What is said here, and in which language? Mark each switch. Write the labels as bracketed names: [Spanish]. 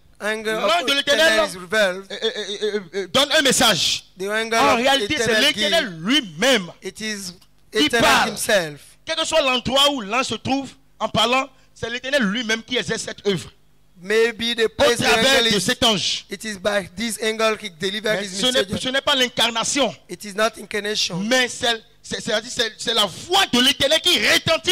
[French] L'ange de l'Éternel donne un message. [English] The [French] en réalité, c'est l'Éternel lui-même [English] it is [French] qui parle. [English] Himself. [French] Quel que soit l'endroit où l'ange se trouve en parlant, c'est l'Éternel lui-même qui exerce cette œuvre. [English] Maybe the place [French] au travers [English] angle [French] de cet ange. [English] It is by this angle he delivered his message. [French] Ce n'est pas l'incarnation. [English] It is not incarnation. [French] Mais c'est la voix de l'Éternel qui retentit.